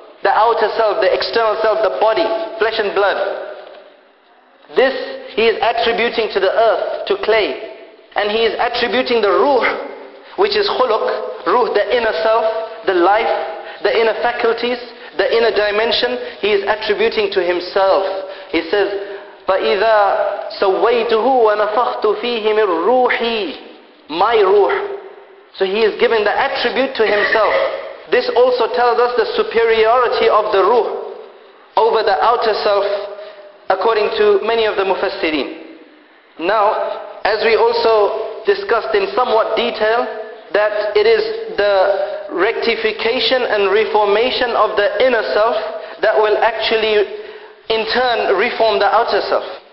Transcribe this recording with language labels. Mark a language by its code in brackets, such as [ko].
[en] The outer self, the external self, the body, flesh and blood. This he is attributing to the earth, to clay. And he is attributing the ruh, which is khuluq, ruh, the inner self, the life, the inner faculties, the inner dimension, he is attributing to himself. He says, [ar] فَإِذَا سَوَّيْتُهُ وَنَفَخْتُ فِيهِ مِنْ رُوحِي. [en] My ruh. So he is giving the attribute to himself. This also tells us the superiority of the ruh over the outer self, according to many of the mufassirin. Now, as we also discussed in somewhat detail, that it is the rectification and reformation of the inner self that will actually in turn reform the outer self.